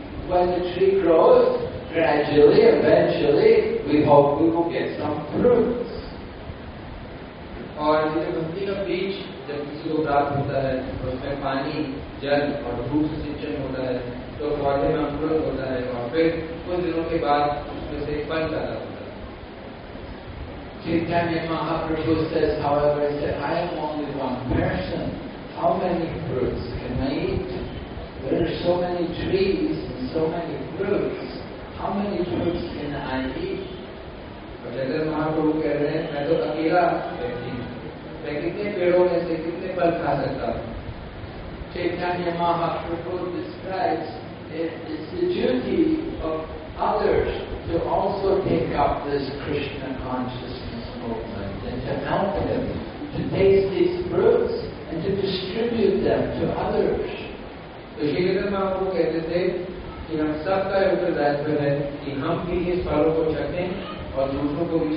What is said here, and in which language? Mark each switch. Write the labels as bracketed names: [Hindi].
[English] When a tree grows gradually eventually we hope we will get some fruits. [Hindi] और ये भक्ति का बीज जब किसी को प्राप्त होता है उसमें पानी जल और धूप से सिंचन होता है तो पौधे में अंकुरण होता है और फिर कुछ दिनों के बाद उसमें से फल पैदा होता है. [English] Chaitanya Mahaprabhu says, however, he said, I am only one person. How many fruits can I eat? There are so many trees and so many fruits. How many fruits can I eat? [Hindi] Chaitanya Mahaprabhu कह रहे हैं मैं तो अकेला व्यक्ति हूँ, मैं कितने पेड़ों में से कितने फल खा सकता हूँ. [English] Chaitanya Mahaprabhu describes it is the duty of others to also take up this Krishna consciousness movement and to help him to taste these fruits and to distribute them to others. [Hindi] तो चैतन्य महाप्रभु कहते थे कि हम सबका उत्तरदायित्व है कि हम भी इस फलों को चखें और दूसरों को भी